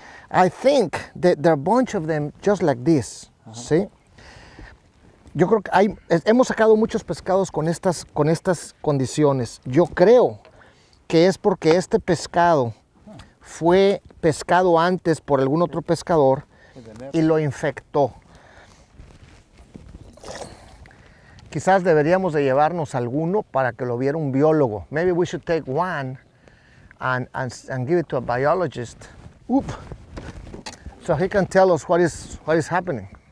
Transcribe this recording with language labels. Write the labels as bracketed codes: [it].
[en] I think that there are a bunch of them just like this. Uh-huh. See? [es] Yo creo que hemos sacado muchos pescados con estas condiciones. Yo creo que es porque este pescado fue pescado antes por algún otro pescador y lo infectó. Quizás deberíamos de llevarnos alguno para que lo viera un biólogo. [en] Maybe we should take one and give it to a biologist. Oop. So he can tell us what is happening.